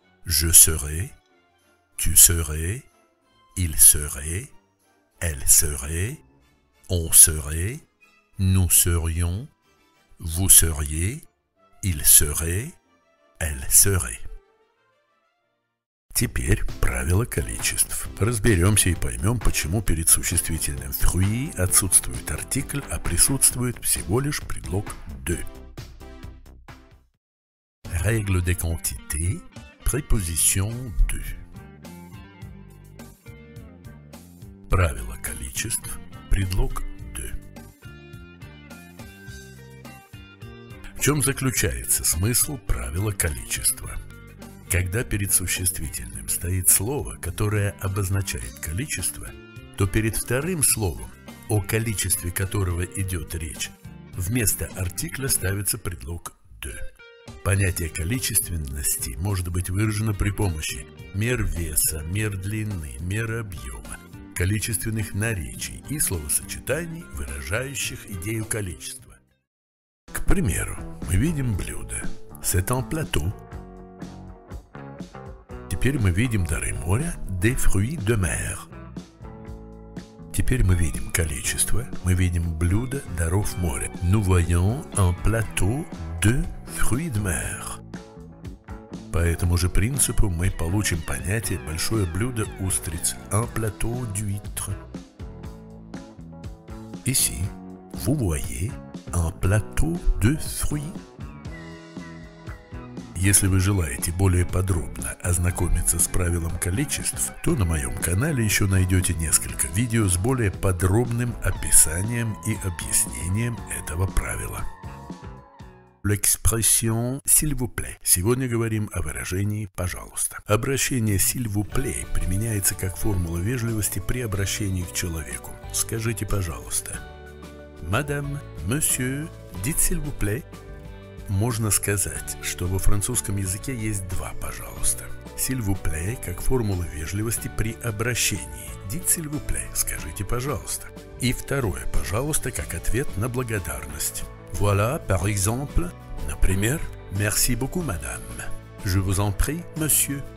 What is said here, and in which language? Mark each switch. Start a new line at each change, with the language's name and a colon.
French: Je serai, tu serais, il serait, elle serait, on serait, nous serions, vous seriez, il serait, elle serait.
Russian: Теперь правило количеств. Разберемся и поймем, почему перед существительным fruit отсутствует артикль, а присутствует всего лишь предлог de.
French: Règle des quantités, préposition de.
Russian: Правило количеств, предлог de. В чем заключается смысл правила количества? Когда перед существительным стоит слово, которое обозначает количество, то перед вторым словом, о количестве которого идет речь, вместо артикля ставится предлог de. Понятие количественности может быть выражено при помощи мер веса, мер длины, мер объема, количественных наречий и словосочетаний, выражающих идею количества. К примеру, мы видим блюдо.
French: C'est un plateau.
Russian: Теперь мы видим дары моря.
French: Des fruits de mer.
Russian: Теперь мы видим количество. Мы видим блюдо даров моря.
French: Nous voyons un plateau de fruits de mer.
Russian: По этому же принципу мы получим понятие «большое блюдо устриц»
French: «un plateau d'huître». Ici, vous voyez un plateau de fruits.
Russian: Если вы желаете более подробно ознакомиться с правилом количеств, то на моем канале еще найдете несколько видео с более подробным описанием и объяснением этого правила.
French: L'expression «s'il vous plaît».
Russian: Сегодня говорим о выражении «пожалуйста». Обращение
French: «s'il vous plaît»
Russian: применяется как формула вежливости при обращении к человеку. Скажите «пожалуйста».
French: Madame, monsieur, dites «s'il vous plaît».
Russian: Можно сказать, что во французском языке есть два «пожалуйста».
French: «S'il vous plaît»
Russian: как формула вежливости при обращении.
French: Dites «s'il vous plaît».
Russian: Скажите «пожалуйста». И второе «пожалуйста» как ответ на благодарность.
French: Voilà, par exemple,
Russian: например,
French: merci beaucoup, madame. Je vous en prie, monsieur.